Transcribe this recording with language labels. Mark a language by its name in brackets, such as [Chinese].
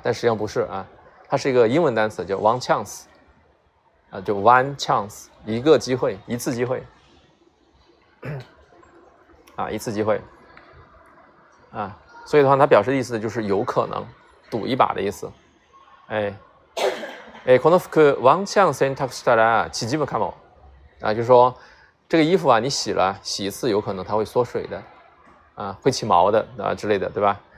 [Chinese] 但实际上不是啊，它是一个英文单词，叫 one chance， 啊，就 one chance， 一个机会，一次机会，啊，一次机会，啊。所以的话，它表示的意思就是有可能赌一把的意思。 [Japanese] 哎，この服ワンチャン選択したら縮むかも。 [Chinese] 啊，就是说这个衣服啊，你洗了洗一次，有可能它会缩水的，啊，会起毛的啊之类的，对吧？